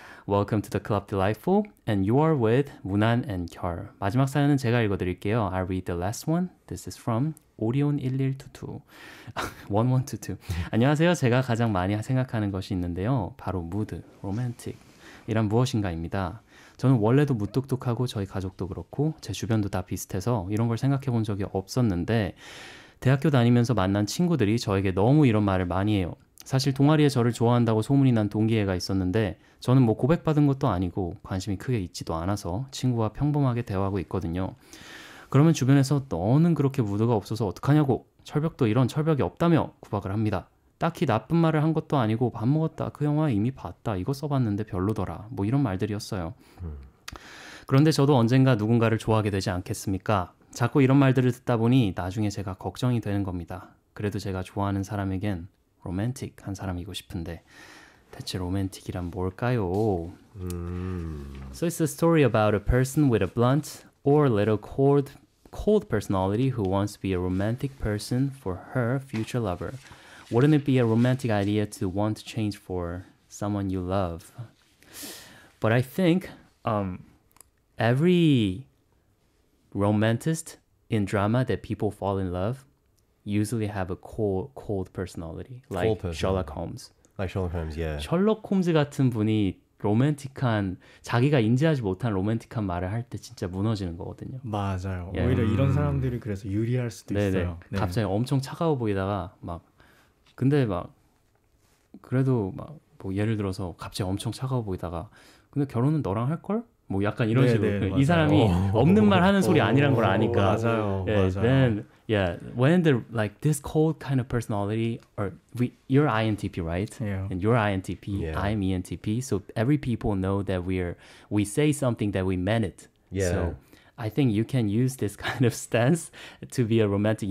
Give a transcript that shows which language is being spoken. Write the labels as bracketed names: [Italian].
[English] Welcome to the Club Delightful, and you are with 문안 and KYUL. [Korean] 마지막 사연은 제가 읽어드릴게요. [English] I'll read the last one. This is from Orion 1122. 1122. [Korean] 안녕하세요. 제가 가장 많이 생각하는 것이 있는데요. 바로 무드, 로맨틱 이란 무엇인가입니다. 저는 원래도 무뚝뚝하고 저희 가족도 그렇고 제 주변도 다 비슷해서 이런 걸 생각해 본 적이 없었는데 대학교 다니면서 만난 친구들이 저에게 너무 이런 말을 많이 해요. 사실 동아리에 저를 좋아한다고 소문이 난 동기애가 있었는데 저는 뭐 고백받은 것도 아니고 관심이 크게 있지도 않아서 친구와 평범하게 대화하고 있거든요. 그러면 주변에서 너는 그렇게 무드가 없어서 어떡하냐고 철벽도 이런 철벽이 없다며 구박을 합니다. 딱히 나쁜 말을 한 것도 아니고 밥 먹었다, 그 영화 이미 봤다, 이거 써봤는데 별로더라 뭐 이런 말들이었어요. 그런데 저도 언젠가 누군가를 좋아하게 되지 않겠습니까? 자꾸 이런 말들을 듣다 보니 나중에 제가 걱정이 되는 겁니다. 그래도 제가 좋아하는 사람에겐 로맨틱한 사람이고 싶은데 대체 로맨틱이란 뭘까요? [English] So it's a story about a person with a blunt or a little cold personality who wants to be a romantic person for her future lover. Wouldn't it be a romantic idea to want to change for someone you love? But I think every romanticist in drama that people fall in love usually have a cold personality, like cold person. Sherlock Holmes. Like Sherlock Holmes, yeah. [Korean] Sherlock Holmes 같은 분이 로맨틱한 자기가 인지하지 못한 로맨틱한 말을 할 때 진짜 무너지는 거거든요. 맞아요. Yeah. 오히려 이런 사람들이 그래서 유리할 수도 네네. 있어요. 네. 갑자기 엄청 차가워 보이다가 막 근데 막 그래도 막 뭐 예를 들어서 갑자기 엄청 차가워 보이다가 근데 결혼은 너랑 할 걸? 뭐 약간 이런 네네, 식으로 맞아요. 이 사람이 없는 말 하는 소리 아니란 걸 아니까. 맞아요. [English] Yeah. [Korean] 맞아요. [English] Then yeah, when the like this cold kind of personality or you're INTP, right? Yeah. And you're INTP, yeah. I'm ENTP. So every people know that we say something that we meant it. Yeah. So I think you can use this kind of stance to be a romantic.